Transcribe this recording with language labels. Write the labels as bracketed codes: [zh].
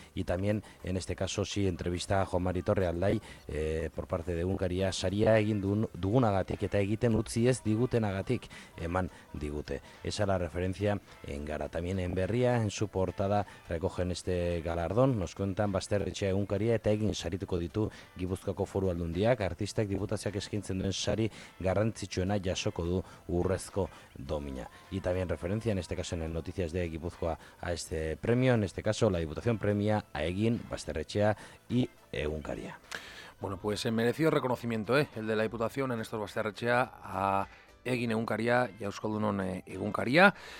[es] Y también, en este caso, sí, entrevista a Juan Marito Realdai por parte de Egunkaria, saria egin dugunagatik eta egiten utzi ez digutenagatik eman digute. Esa es la referencia en Gara. También en Berria, en su portada, recogen este galardón. [eu] Nos cuentan Basterrechea Egunkaria eta Egin sarituko ditu Gipuzkoako Foru Aldundiak. Artistak diputatzeak eskintzen duen sari garrantzitsuena jasoko du urrezko domina. [es] Y también referencia, en este caso, en el Noticias de Gipuzkoa, a este premio. En este caso, la Diputación premia a Egin, Basterrechea y Egunkaria. Bueno, pues se mereció reconocimiento, el de la Diputación, Néstor Basterrechea, a Egin Egunkaria y a Euskaldunon Egunkaria.